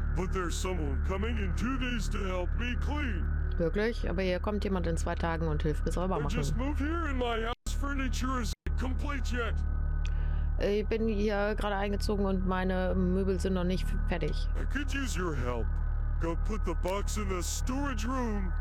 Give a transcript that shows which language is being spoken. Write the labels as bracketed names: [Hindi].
[English] But there's someone coming in 2 days to help me clean. [German] Wirklich? Aber hier kommt jemand in 2 Tagen und hilft mir sauber machen. [English] I just moved here and my house furniture is complete yet. [German] Ich bin hier gerade eingezogen und meine Möbel sind noch nicht fertig. [English] I could use your help. Go put the box in the storage room.